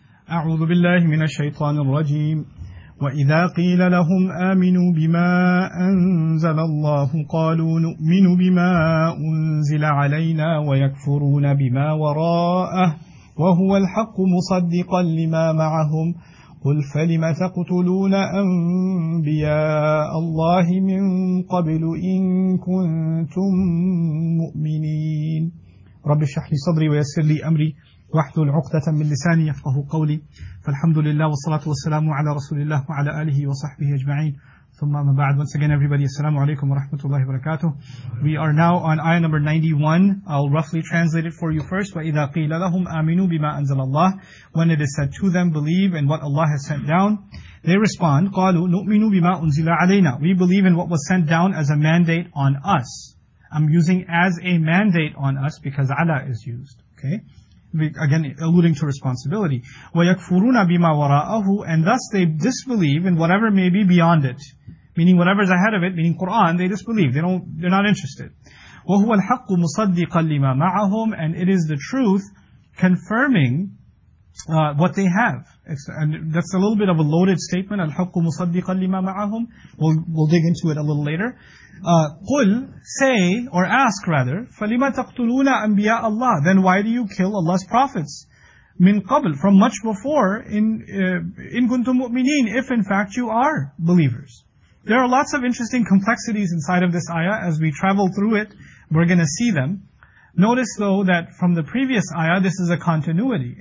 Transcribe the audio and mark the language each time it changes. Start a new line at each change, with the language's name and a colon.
Arabic: أعوذ بالله من الشيطان الرجيم. وإذا قيل لهم آمنوا بما أنزل الله قالوا نؤمن بما أنزل علينا ويكفرون بما وراءه وهو الحق مصدقا لما معهم قل فلم تقتلون أنبياء الله من قبل إن كنتم مؤمنين. رب اشرح لي صدري ويسر لي أمري واحلل عقدة من لساني يفقه قولي. فالحمد لله والصلاة والسلام على رسول الله وعلى آله وصحبه أجمعين. ثم ما بعد.
English: Once again everybody,
Arabic: السلام عليكم ورحمة الله وبركاته.
English: We are now on ayah number 91. I'll roughly translate it for you first.
Arabic: وَإِذَا قِيلَ لَهُمْ آمِنُوا بِمَا أَنزَلَ اللَّهِ.
English: When it is said to them, believe in what Allah has sent down. They respond,
Arabic: قَالُوا نُؤْمِنُوا بِمَا أُنزِلَ عَلَيْنَا.
English: We believe in what was sent down as a mandate on us. I'm using as a mandate on us because عَلَى is used. Okay. Again, alluding to responsibility.
Arabic: وَيَكْفُرُونَ بِمَا وَرَاءَهُ.
English: And thus they disbelieve in whatever may be beyond it. Meaning whatever is ahead of it, meaning Quran, they disbelieve. They're not interested.
Arabic: وَهُوَ الْحَقُّ مُصَدِّقًا لِمَا مَعَهُمْ.
English: And it is the truth confirming what they have. And that's a little bit of a loaded statement.
Arabic: الْحَقُّ مُصَدِّقًا لِمَا مَعَهُمْ.
English: We'll dig into it a little later.
Arabic: قُلْ,
English: say, or ask rather,
Arabic: فَلِمَا تَقْتُلُونَ أَنْبِيَاءَ اللَّهِ.
English: Then why do you kill Allah's prophets?
Arabic: مِنْ قَبْلِ,
English: from much before, in
Arabic: كُنْتُمْ مُؤْمِنِينَ,
English: if in fact you are believers. There are lots of interesting complexities inside of this ayah. As we travel through it, we're going to see them. Notice though that from the previous ayah, this is a continuity.